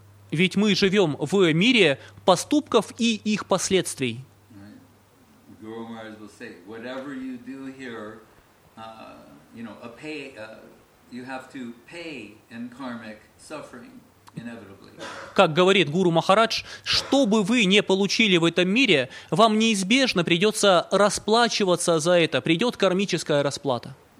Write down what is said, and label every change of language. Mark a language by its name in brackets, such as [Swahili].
[Russian] Ведь мы живем в мире поступков и их последствий. [English] Гуру Махарадж will say, whatever you do here, you know, a pay, you have to pay in karmic suffering. [Russian] Как говорит Гуру Махарадж, что бы вы ни получили в этом мире, вам неизбежно придется расплачиваться за это, придет кармическая расплата.